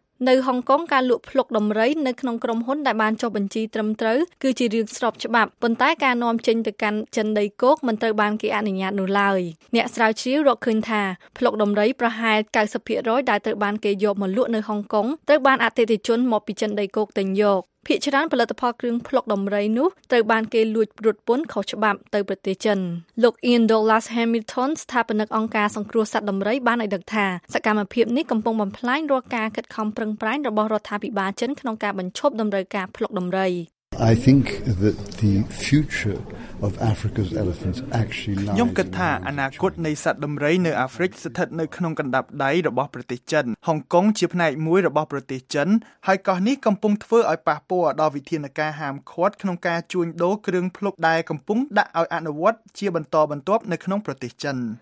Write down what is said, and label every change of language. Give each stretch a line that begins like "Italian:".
Khmer: នៅហុងកុងការលក់ភ្លុកដំរីនៅក្នុងក្រុមហ៊ុនដែលបានចុះបញ្ជីត្រឹមត្រូវគឺជារឿងស្របច្បាប់ប៉ុន្តែការនាំចេញទៅកាន់ចិនដីគោកមិនត្រូវបានគេអនុញ្ញាតនោះឡើយអ្នកស្រាវជ្រាវរកឃើញថាភ្លុកដំរីប្រហែល 90% ដែលត្រូវបានគេយកមកលក់នៅហុងកុងត្រូវបានអតិថិជនមកពីចិនដីគោកទិញយកភាគច្រើនផលិតផលគ្រឿងភ្លុកដំរីនោះត្រូវបានគេលួចរត់ពន្ធខុសច្បាប់ទៅប្រទេសចិន លោក Ian Douglas Hamilton ស្ថាបនិកអង្គការសង្គ្រោះសត្វដំរីបានឲ្យដឹងថាសកម្មភាពនេះកំពុងបំផ្លាញរាល់ការខិតខំប្រឹងប្រែងរបស់រដ្ឋាភិបាលចិនក្នុងការបញ្ឈប់ដំរីការភ្លុកដំរី
English: I think that the future of Africa's elephants actually lies
Khmer: ខ្ញុំគិតថាអនាគតនៃសត្វដំរីនៅអាហ្វ្រិកស្ថិតនៅក្នុងកណ្ដាប់ដៃរបស់ប្រទេសចិនហុងកុងជាផ្នែកមួយរបស់ប្រទេសចិនហើយកោះនេះកំពុងធ្វើឲ្យប៉ះពាល់ដល់វិធានការហាមឃាត់ក្នុងការជួញដូរគ្រឿងភ្លុកដែលកំពុងដាក់ឲ្យអនុវត្តជាបន្តបន្ទាប់នៅក្នុងប្រទេសចិន